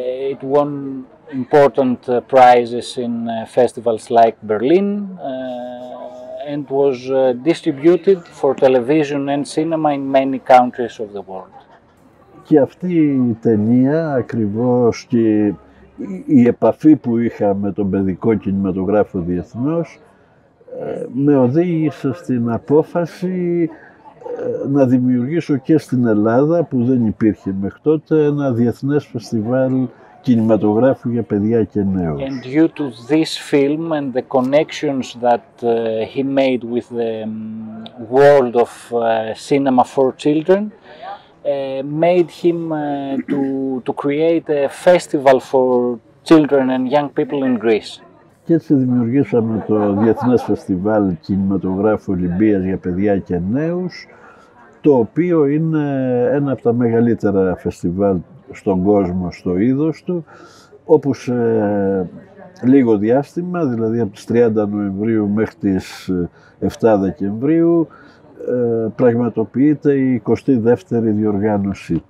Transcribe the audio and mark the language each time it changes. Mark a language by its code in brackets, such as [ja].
[en] It won important prizes in festivals like Berlin and was distributed for television and cinema in many countries of the world. [el] Και αυτή η ταινία ακριβώς και η επαφή που είχα με τον παιδικό κινηματογράφο διεθνώς με οδήγησε στην απόφαση να δημιουργήσω και στην Ελλάδα, που δεν υπήρχε μέχρι τότε, ένα διεθνές φεστιβάλ κινηματογράφου για παιδιά και νέους. [en] And due to this film and the connections that he made with the world of cinema for children, made him to create a festival for children and young people in Greece. [el] Και έτσι δημιουργήσαμε το Διεθνές Φεστιβάλ Κινηματογράφου Ολυμπίας για παιδιά και νέους, το οποίο είναι ένα από τα μεγαλύτερα φεστιβάλ στον κόσμο, στο είδος του, όπου σε λίγο διάστημα, δηλαδή από τις 30 Νοεμβρίου μέχρι τις 7 Δεκεμβρίου, πραγματοποιείται η 22η διοργάνωση.